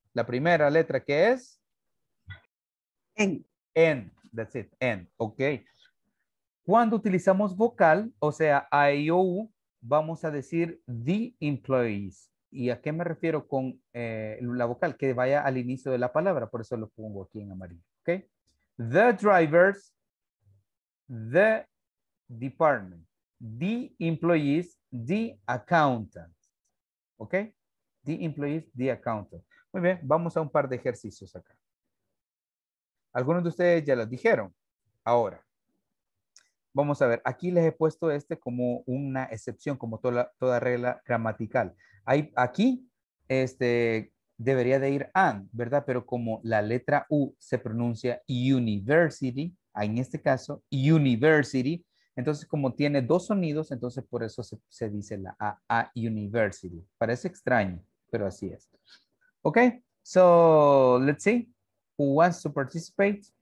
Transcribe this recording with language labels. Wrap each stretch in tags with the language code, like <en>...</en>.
<es>La primera letra, ¿qué es? N. N.</es> <en>That's it.</en> <es>N. Ok. Cuando utilizamos vocal, o sea, I-O-U, vamos a decir</es> <en>the employees.</en> <es>¿Y a qué me refiero con la vocal? Que vaya al inicio de la palabra. Por eso lo pongo aquí en amarillo. ¿Okay?</es> <en>The drivers, the department, the employees, the accountants. ¿Ok? The employees, the accountants.</en> <es>Muy bien, vamos a un par de ejercicios acá. Algunos de ustedes ya los dijeron. Ahora, vamos a ver, aquí les he puesto este como una excepción, como toda regla gramatical. Hay, aquí debería de ir an, ¿verdad? Pero como la letra U se pronuncia university, en este caso university, entonces como tiene dos sonidos, entonces por eso se dice la a university. Parece extraño, pero así es.</es> <en>Ok, so let's see who wants to participate.</en>